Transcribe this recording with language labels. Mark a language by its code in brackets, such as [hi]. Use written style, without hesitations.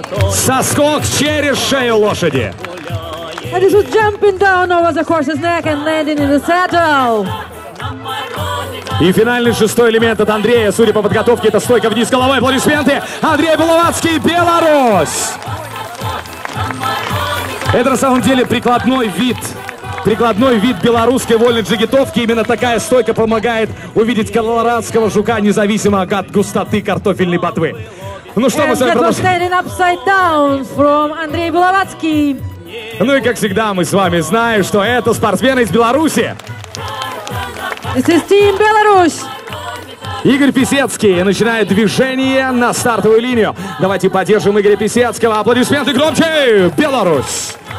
[ru] Соскок через шею лошади. [en] And you should jump down over the horse's neck and landing in the saddle. [ru] И финальный шестой элемент от Андрея. Судя по подготовке, это стойка вниз головой. Аплодисменты. Андрей Булавацкий, Беларусь. Это на самом деле прикладной вид. Прикладной вид белорусской вольной джигитовки. Именно такая стойка помогает увидеть колорадского жука, независимо от густоты картофельной ботвы. Ну что, мы с вами продолжим. [en] And that was standing upside down from Андрей Булавацкий. [ru] Ну и как всегда, мы с вами знаем, что это спортсмены из Беларуси. [en] This is Team Belarus. [ru] Игорь Писецкий начинает движение на стартовую линию. Давайте поддержим Игоря Писецкого. Аплодисменты громче! Беларусь!